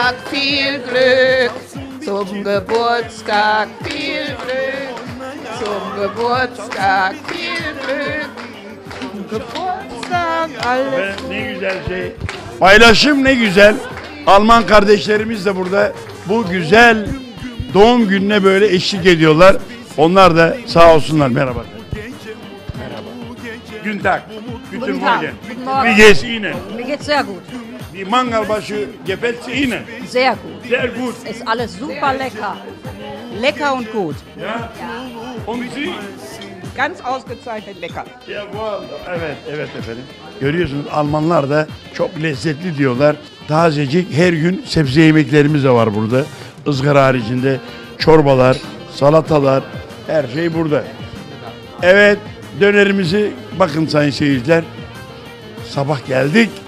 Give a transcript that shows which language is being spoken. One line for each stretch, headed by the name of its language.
German: Viel Glück zum Geburtstag, viel Glück zum Geburtstag, viel Glück zum Geburtstag, alles
Turkish: gut. Ne güzel şey. Paylaşım ne güzel. Alman kardeşlerimiz de burada bu güzel doğum gününe böyle eşlik ediyorlar. Onlar da sağ olsunlar. Merhaba. Merhaba.
German: Güntag. Guten Morgen. Wie geht's Ihnen? Mir geht's sehr gut. Die Mangalbaschü gefällt Ihnen? Sehr gut. Sehr gut. Ist alles super lecker. Lecker und gut. Ja? Ja. Und Sie? Ganz ausgezeichnet lecker. Jawohl.
Turkish: Evet, evet efendim. Görüyorsunuz Almanlar da çok lezzetli diyorlar. Tazecik her gün sebze yemeklerimiz de var burada. Izgara haricinde çorbalar, salatalar, her şey burada. Evet, dönerimizi bakın sayın seyirciler. Sabah geldik.